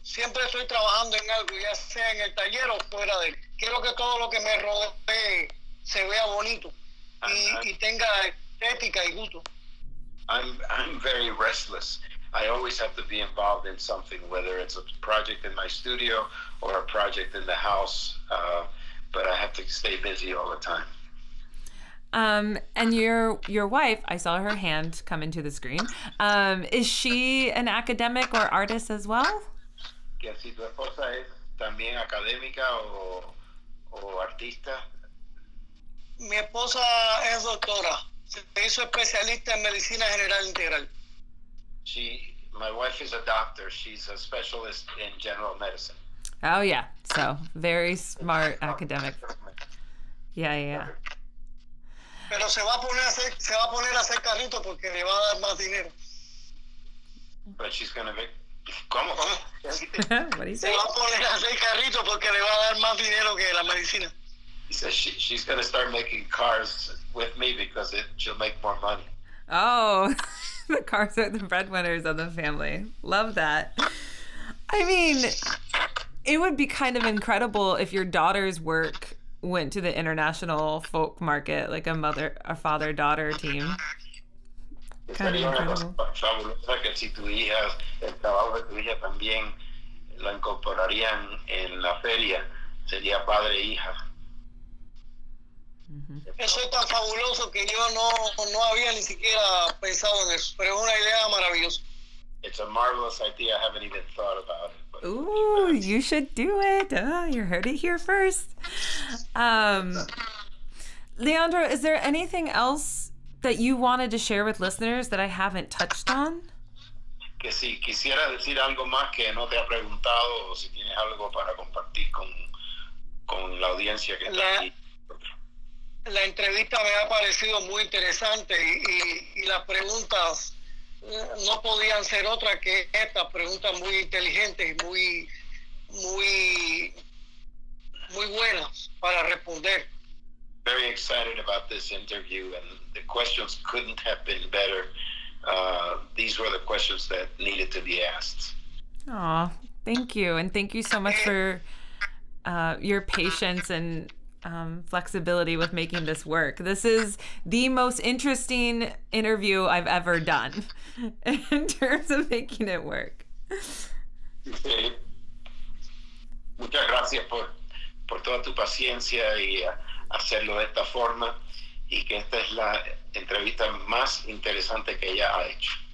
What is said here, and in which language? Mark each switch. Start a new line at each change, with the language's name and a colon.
Spanish: Siempre estoy trabajando en algo, ya sea en el taller o fuera de él. Quiero que todo lo que me rodee se vea bonito y tenga estética y gusto.
English: I'm very restless. I always have to be involved in something, whether it's a project in my studio or a project in the house, but I have to stay busy all the time. And your wife, I saw her hand come into the screen. Is she an academic or artist as well?
Spanish: ¿Que si tu esposa es también académica o artista? Mi esposa es doctora. Se hizo especialista en medicina general integral.
English: My wife is a doctor. She's a specialist in general medicine. Oh, yeah. So, very smart academic. Yeah, yeah.
Spanish: Pero se va a poner a hacer carrito porque le va a dar más dinero.
English: But she's going to be...
Spanish: ¿Cómo?
English: What do you say?
Spanish: Se va a poner a hacer carrito porque le va a dar más dinero que la medicina.
English: He says she's going to start making cars with me because she'll make more money. Oh, the cars are the breadwinners of the family. Love that. I mean, it would be kind of incredible if your daughter's work went to the international folk market, like a father-daughter team. Kind of incredible.
Spanish: Que si tu hija, el trabajo de tu hija también la incorporarían en la feria, sería padre e hija. Eso es tan fabuloso que yo no había ni siquiera pensado en eso, pero es una idea maravillosa.
English: It's a marvelous idea. I haven't even thought about it. Ooh, you should do it. You heard it here first. Leandro, is there anything else that you wanted to share with listeners that I haven't touched on?
Spanish: Que si quisiera decir algo más que no te ha preguntado, o si tienes algo para compartir con la audiencia que está aquí. La entrevista me ha parecido muy interesante y las preguntas no podían ser otra que estas preguntas muy inteligentes y muy, muy, muy buenas para responder.
English: Very excited about this interview, and the questions couldn't have been better. These were the questions that needed to be asked. Aw, thank you. And thank you so much for your patience and flexibility with making this work. This is the most interesting interview I've ever done in terms of making it work.
Spanish: Muchas gracias por toda tu paciencia y hacerlo de esta forma, y que esta es la entrevista más interesante que ella ha hecho.